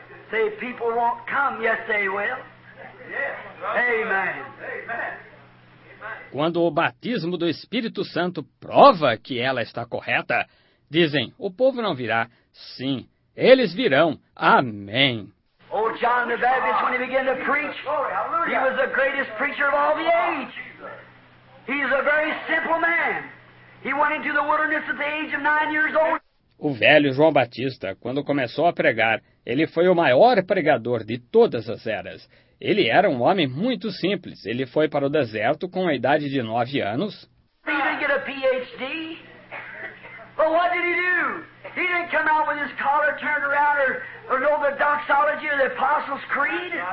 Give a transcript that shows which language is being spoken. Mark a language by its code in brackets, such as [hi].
[en] Say, people won't come, yes they will. Amen. [pt] Quando o batismo do Espírito Santo prova que ela está correta, dizem, o povo não virá. Sim, eles virão. Amém. [en] Oh, John the Baptist, when he began to preach, he was the greatest preacher of all the age. He's a very simple man. He went into the wilderness at the age of 9 years old. [pt] O velho João Batista, quando começou a pregar, ele foi o maior pregador de todas as eras. Ele era um homem muito simples. Ele foi para o deserto com a idade de 9 anos. [en] He didn't get a PhD. But what did he do? He didn't come out with his collar turned around or know the doxology or the Apostles' Creed.